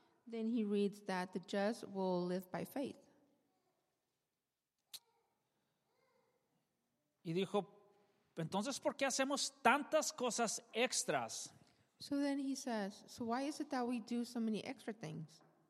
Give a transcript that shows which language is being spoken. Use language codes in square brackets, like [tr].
[en] Then he reads that the just will live by faith. [es] Y dijo, entonces, ¿por qué hacemos tantas cosas extras? [en] So then he says, so why is it that we do so many extra things?